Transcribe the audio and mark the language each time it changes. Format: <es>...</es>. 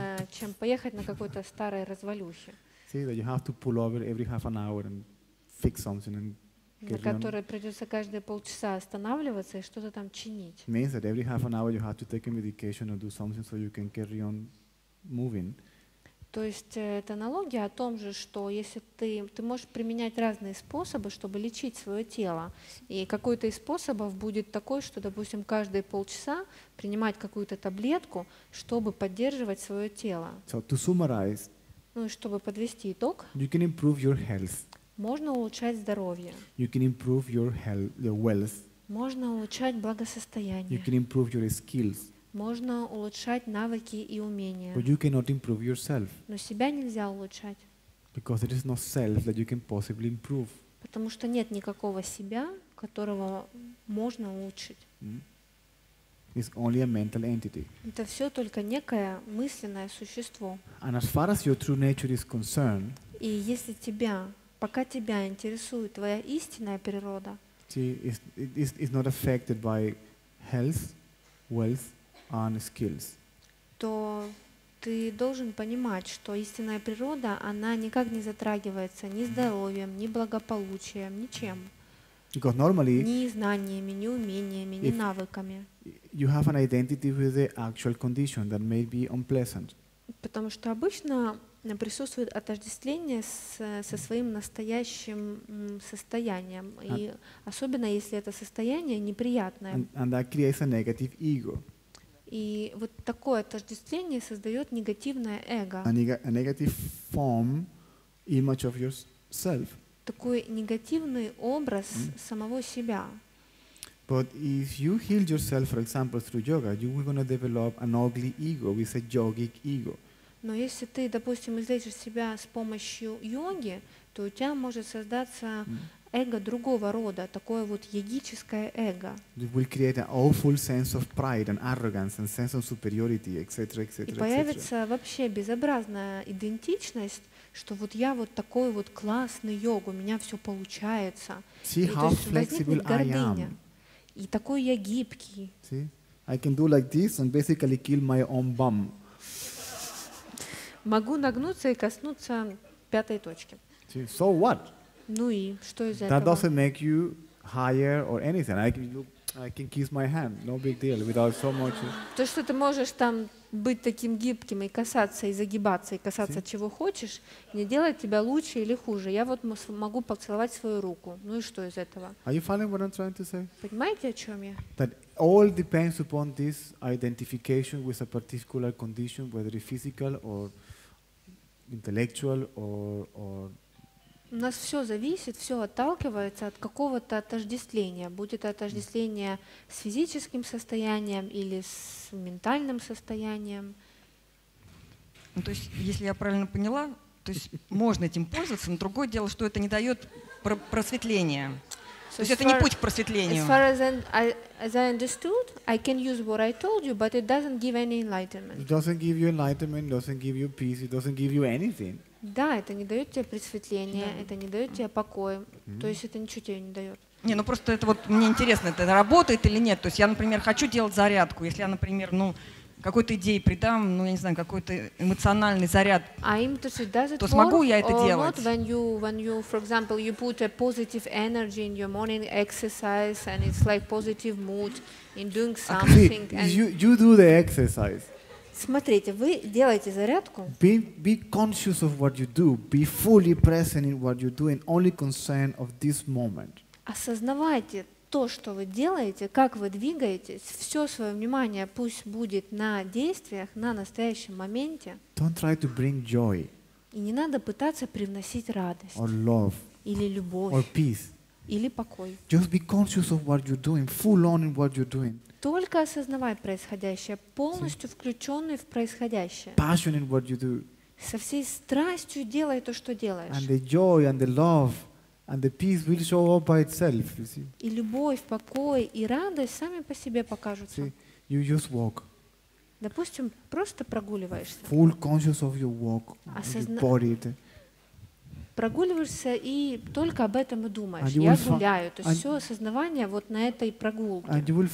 <ru>Чем поехать на какой-то старой развалюхе.</ru> <en>See, that you have to pull over every half an hour and fix something and</en> <ru>на которой придется каждые полчаса останавливаться и что-то там чинить.</ru> <en>Means that every half an hour you have to take a medication or do something so you can carry on moving.</en> <ru>То есть это аналогия о том же, что если ты можешь применять разные способы, чтобы лечить свое тело, и какой-то из способов будет такой, что, допустим, каждые полчаса принимать какую-то таблетку, чтобы поддерживать свое тело.</ru> <en>So to summarize.</en> <ru>И чтобы подвести итог.</ru> <en>You can improve your health.</en> <ru>Можно улучшать здоровье.</ru> <en>You can improve your health, your wealth.</en> <ru>Можно улучшать благосостояние.</ru> <en>You can improve your skills.</en> <ru>Можно улучшать навыки и умения.</ru> <en>But you cannot improve yourself.</en> <ru>Но себя нельзя улучшать.</ru> <en>Because there is no self that you can possibly improve.</en> <ru>Потому что нет никакого себя, которого можно улучшить.</ru> <en>It's only a mental entity.</en> <ru>Это все только некое мысленное существо.</ru> <en>And as far as your true nature is concerned.</en> <ru>И если тебя пока тебя интересует твоя истинная природа.</ru> <en>It's not affected by health, wealth, and skills.</en> <ru>То ты должен понимать, что истинная природа, она никак не затрагивается ни здоровьем, ни благополучием, ничем.</ru> <en>Because normally,</en> <ru>ни знаниями, ни умениями, ни навыками.</ru> <en>You have an identity with the actual condition that may be unpleasant.</en> <ru>Потому что обычно присутствует отождествление со своим настоящим состоянием, и особенно если это состояние неприятное.</ru> <en>And that creates a negative ego.</en> <ru>И вот такое отождествление создает негативное эго.</ru> <en>A negative form, image of yourself.</en> <ru>Такой негативный образ самого себя.</ru> <en>But if you heal yourself, for example, through yoga, you will gonna develop an ugly ego, with a yogic ego.</en> <ru>Но если ты, допустим, излечишь себя с помощью йоги, то у тебя может создаться эго другого рода, такое вот йогическое эго.</ru> <en>It will create an awful sense of pride and arrogance and sense of superiority, etc., etc.</en> <ru>И появится вообще безобразная идентичность, что вот я вот такой вот классный йог, у меня все получается.</ru> <en>See how flexible I am.</en> <ru>И такой я гибкий.</ru> <en>See, I can do like this and basically kill my own bum.</en> <ru>Могу нагнуться и коснуться пятой точки.</ru> <en>See, so what?</en> <ru>Ну и что из этого?</ru> <en>That doesn't make you higher or anything. I can kiss my hand, no big deal, without so much.</en> <ru>То, что ты можешь там быть таким гибким и касаться, и загибаться, и касаться чего хочешь, не делает тебя лучше или хуже. Я вот могу поцеловать свою руку. Ну и что из этого?</ru> <en>Are you following what I'm trying to say?</en> <ru>Понимаете, о чем я?</ru> <en>That all depends upon this identification with a particular condition, whether it's physical or intellectual or</en> <ru>У нас все зависит, все отталкивается от какого-то отождествления. Будь это отождествление с физическим состоянием или с ментальным состоянием. Ну, то есть, если я правильно поняла, то есть можно этим пользоваться, но другое дело, что это не дает просветления. То есть это не путь к просветлению.</ru> <en>As far as I understood, I can use what I told you, but it doesn't give any enlightenment. It doesn't give you enlightenment, doesn't give you peace, it doesn't give you anything.</en> <ru>Да, это не дает тебе просветления, это не дает тебе покоя. То есть это ничего тебе не дает. Не, ну просто это вот мне интересно, это работает или нет. То есть я, например, хочу делать зарядку. Если я, например, ну, какой-то идее придам, ну, я не знаю, какой-то эмоциональный заряд, то смогу я это делать?</ru> <en>When you, for example, you put a positive energy in your morning exercise and it's like positive mood in doing something. You do the exercise.</en> <ru>Смотрите, вы делаете зарядку.</ru> <en>Be conscious of what you do. Be fully present in what you do and only concerned of this moment.</en> <ru>Осознавайте то, что вы делаете, как вы двигаетесь. Все свое внимание пусть будет на действиях, на настоящем моменте.</ru> <en>Don't try to bring joy.</en> <ru>И не надо пытаться привносить радость.</ru> <en>Or love.</en> <ru>Или любовь.</ru> <en>Or peace.</en> <ru>Или покой.</ru> <en>Just be conscious of what you're doing, full on in what you're doing.</en> <ru>Только осознавай происходящее, полностью включенный в происходящее.</ru> <en>Passion in what you do.</en> <ru>Со всей страстью делай то, что делаешь.</ru> <en>And the joy and the love and the peace will show up by itself, you see.</en> <ru>И любовь, покой и радость сами по себе покажутся.</ru> <en>See, you just walk.</en> <ru>Допустим, просто прогуливаешься.</ru> <en>Full conscious of your walk, your body.</en> <ru>Прогуливаешься и только об этом и думаешь. Я гуляю. То есть все осознавание вот на этой прогулке.</ru>